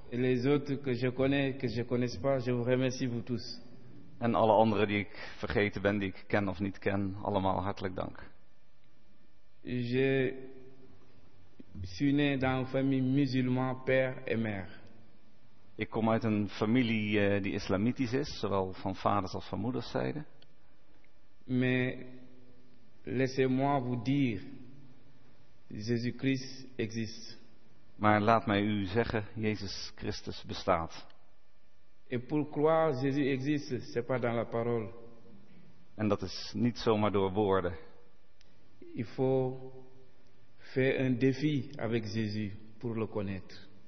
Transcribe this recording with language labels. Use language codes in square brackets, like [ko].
[fr] Et les autres que je connais, que je connais pas, je vous remercie vous tous. [nl] En alle anderen die ik vergeten ben, die ik ken of niet ken, allemaal hartelijk dank. [fr] Je suis né dans une famille musulmane, père et mère. [nl] Ik kom uit een familie die islamitisch is, zowel van vaders als van moeders zijde. [fr] Mais laissez-moi vous dire, Jésus-Christ existe. [nl] Maar laat mij u zeggen, Jezus Christus bestaat. [fr] Et pour croire Jésus existe, c'est pas dans la parole. [nl] En dat is niet zomaar door woorden. [fr] Il faut faire un défi avec Jésus pour le connaître.